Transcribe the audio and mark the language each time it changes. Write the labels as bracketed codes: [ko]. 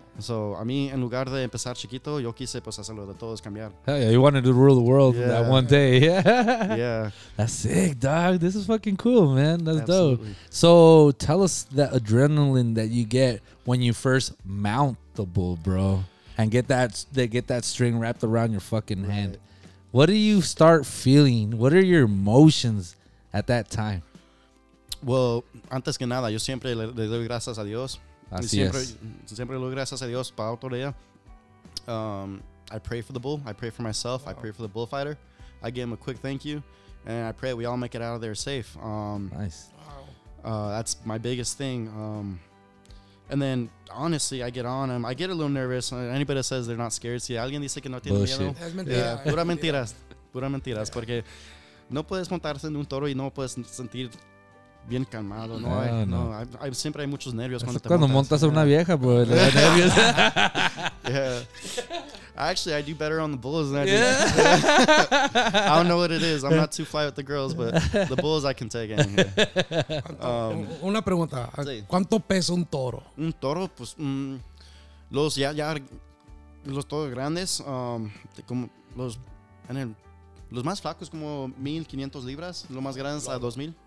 [es] So, a mí, en lugar de empezar chiquito, yo quise, pues, hacerlo de todos, cambiar. [en] Hell yeah, you wanted to rule the world that one day. Yeah. That's sick, dog. This is fucking cool, man. That's dope. So, tell us that adrenaline that you get when you first mount the bull, bro, and get that string wrapped around your fucking hand. What do you start feeling? What are your emotions at that time? [es] Well, antes que nada, yo siempre le doy gracias a Dios. Siempre lo gracias a Dios para otro día. [en] I pray for the bull. I pray for myself. Wow. I pray for the bullfighter. I give him a quick thank you, and I pray we all make it out of there safe. Nice. That's my biggest thing. And then honestly, I get on him. I get a little nervous. Anybody that says they're not scared, [es] si alguien dice que no tiene miedo, pura mentiras, porque no puedes montarse en un toro y no puedes sentir bien calmado, ¿no? Siempre hay muchos nervios cuando montas a una vieja, bro. Le da nervios. [en] Yeah. Actually, I do better on the bulls than I do. I don't know what it is. I'm not too fly with the girls, but the bulls I can take anyway. [es] Una pregunta. ¿Cuánto pesa un toro? Un toro, pues, los ya los toros grandes, como los, en el, los más flacos como 1,500 libras, los más grandes a 2,000.